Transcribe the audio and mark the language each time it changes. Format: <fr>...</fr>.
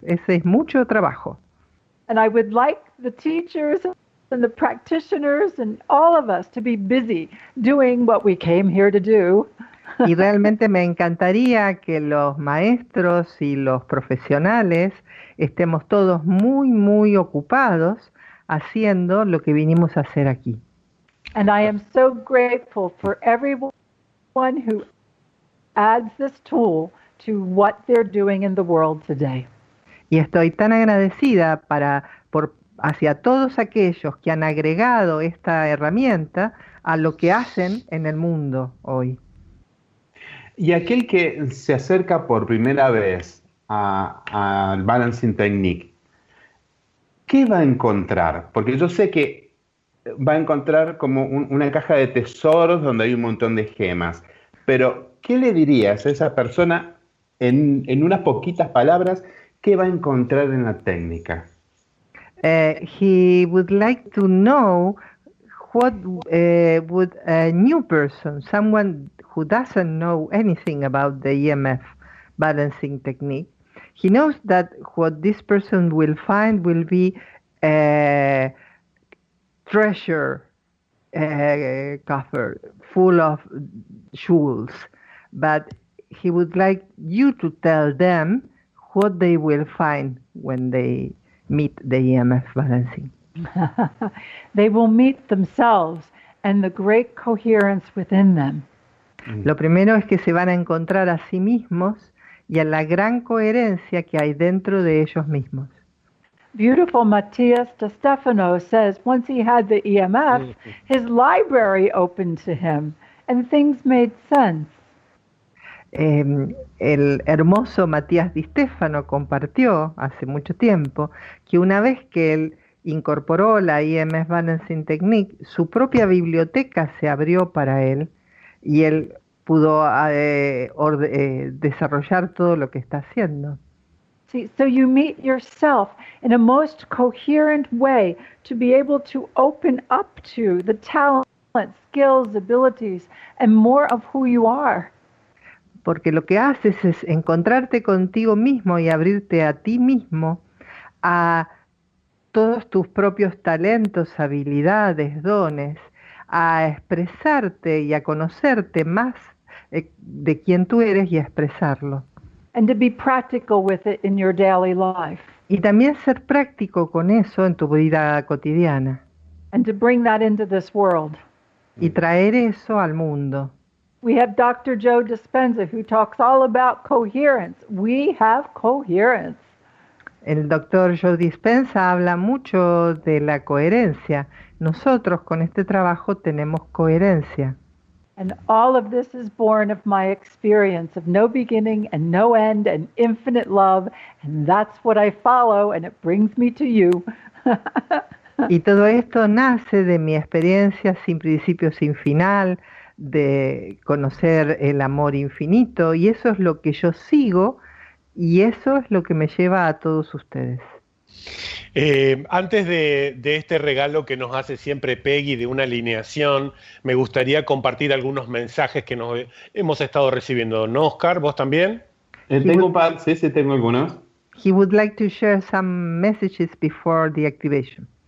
<es>Ese es mucho trabajo.</es> <en>And I would like the teachers and the practitioners and all of us to be busy doing what we came here to do.</en> <es>Y realmente me encantaría que los maestros y los profesionales estemos todos muy, muy ocupados haciendo lo que vinimos a hacer aquí.</es> <en>And I am so grateful for everyone who adds this tool to what they're doing in the world today.</en> <es>Y estoy tan agradecida hacia todos aquellos que han agregado esta herramienta a lo que hacen en el mundo hoy. Y aquel que se acerca por primera vez al Balancing Technique, ¿qué va a encontrar? Porque yo sé que va a encontrar como una caja de tesoros donde hay un montón de gemas. Pero, ¿qué le dirías a esa persona en unas poquitas palabras? ¿Qué va a encontrar en la técnica?</es> <en>He would like to know what would a new person, someone who doesn't know anything about the EMF balancing technique, he knows that what this person will find will be a treasure coffer full of jewels. But he would like you to tell them what they will find when they meet the EMF balancing. They will meet themselves and the great coherence within them.</en> <es>Lo primero es que se van a encontrar a sí mismos y a la gran coherencia que hay dentro de ellos mismos.</es> <en>Beautiful Matthias de Stefano says once he had the EMF, his library opened to him and things made sense.</en> <es>El hermoso Matthias de Stefano compartió hace mucho tiempo que una vez que él incorporó la EMF Balancing Technique, su propia biblioteca se abrió para él y él pudo desarrollar todo lo que está haciendo.</es> <en>See, so you meet yourself in a most coherent way to be able to open up to the talent, skills, abilities, and more of who you are.</en> <es>Porque lo que haces es encontrarte contigo mismo y abrirte a ti mismo a todos tus propios talentos, habilidades, dones, a expresarte y a conocerte más de quién tú eres y a expresarlo.</es> <en>And to be practical with it in your daily life.</en> <es>Y también ser práctico con eso en tu vida cotidiana.</es> <en>And to bring that into this world.</en> <es>Y traer eso al mundo.</es> <en>We have Dr. Joe Dispenza who talks all about coherence. We have coherence.</en> <es>El doctor Joe Dispenza habla mucho de la coherencia. Nosotros con este trabajo tenemos coherencia. And all of this is born of my experience of no beginning and no end and infinite love, and that's what I follow, and it brings me to you. Y todo esto nace de mi experiencia sin principio, sin final, de conocer el amor infinito, y eso es lo que yo sigo. Y eso es lo que me lleva a todos ustedes. Antes de este regalo que nos hace siempre Peggy de una alineación, me gustaría compartir algunos mensajes que hemos estado recibiendo. ¿No, Oscar? ¿Vos también? Tengo algunos.</es> <en>He would like to share some messages before the activation.</en>